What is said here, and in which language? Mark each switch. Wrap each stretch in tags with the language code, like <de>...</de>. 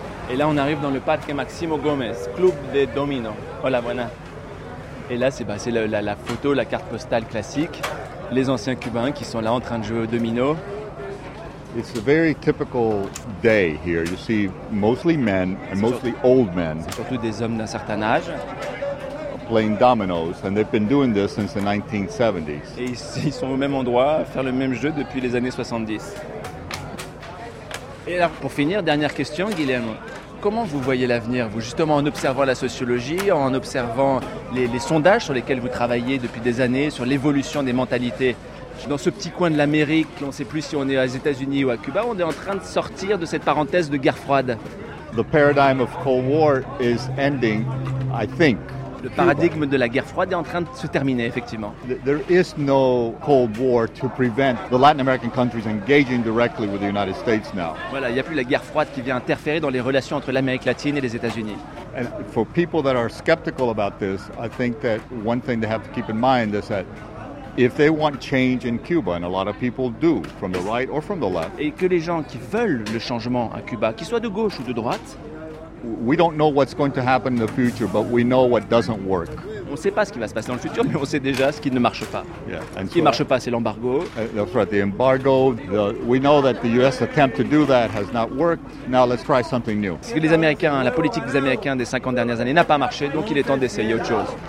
<fr>Et là, on arrive dans le Parque Maximo Gomez, Club de Domino.</fr> <es>Hola, buena.</es> <fr>Et là, c'est la photo, la carte postale classique. Les anciens Cubains qui sont là en train de jouer au domino.</fr> <en>It's a very typical day here. You see mostly men and mostly old men.</en> <fr>C'est surtout des hommes d'un certain âge.</fr> <en>Playing dominoes and they've been doing this since the 1970s.</en> <fr>Et ils sont au même endroit à faire le même jeu depuis les années 70. Et alors pour finir, dernière question, Guilherme. Comment vous voyez l'avenir, vous, justement en observant la sociologie, en observant les sondages sur lesquels vous travaillez depuis des années, sur l'évolution des mentalités dans ce petit coin de l'Amérique, on ne sait plus si on est aux États-Unis ou à Cuba, on est en train de sortir de cette parenthèse de guerre froide.</fr> <en>The paradigm of Cold War is ending, I think.</en> <fr>Le paradigme de la guerre froide est en train de se terminer, effectivement.</fr> <en>There is no Cold War to prevent the Latin American countries engaging directly with the United States now.</en> <fr>Voilà, il n'y a plus la guerre froide qui vient interférer dans les relations entre l'Amérique latine et les États-Unis.</fr> <en>And for people that are skeptical about this, I think that one thing they have to keep in mind is that if they want change in Cuba, and a lot of people do, from the right or from the left.</en> <fr>Et que les gens qui veulent le changement à Cuba, qu'ils soient de gauche ou de droite,</fr> <en>We don't know what's going to happen in the future, but we know what doesn't work.</en> <fr>On ne sait pas ce qui va se passer dans le futur, mais on sait déjà ce qui ne marche pas.</fr> <en>Yeah.</en> <fr>Ce qui ne marche pas, c'est l'embargo.</fr> <en>That's right, the embargo. We know that the U.S. attempt to do that has not worked. Now let's try something new.</en> <fr>Parce que les Américains, la politique des Américains des 50 dernières années n'a pas marché, donc il est temps d'essayer autre chose.</fr>